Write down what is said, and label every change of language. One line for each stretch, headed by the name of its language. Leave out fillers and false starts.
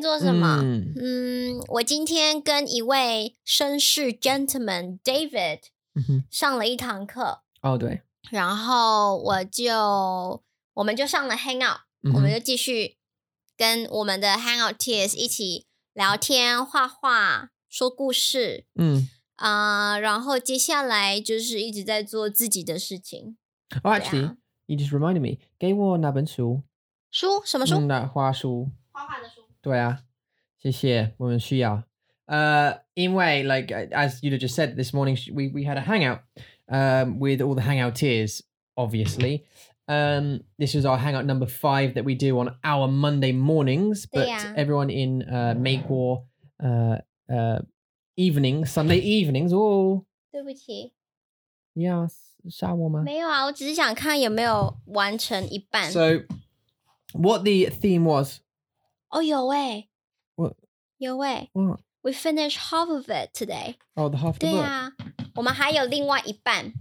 English: do? What did I do today? I went with a
Chinese: 绅士
English: gentleman, David, to a class. Oh, right. And then we went to a hangout. We continued to talk with our hangout tiers.
Chinese: 聊天、画画、说故事，然后接下来就是一直在做自己的事情。
English: Oh, actually, you just reminded me.
Chinese: 给我那本书。书？什么书？那画书。画画的书。对啊，谢谢，我们需要。因为
English: like as you just said this morning, we had a hangout, with all the hangouteers, obviously. This is our hangout number 5 that we do on our Monday mornings, but everyone in Meikuo evening, Sunday evenings, oh.
Chinese: 对不起。 Yeah, 杀我吗？没有啊，我只是想看有没有完成一半。
English: So, what the theme was?
Chinese: Oh, 有诶。
English: What?
Chinese: 有诶。
English: What? We finished half of it today. Oh, the half of the book.
Chinese: 对啊，我们还有另外一半。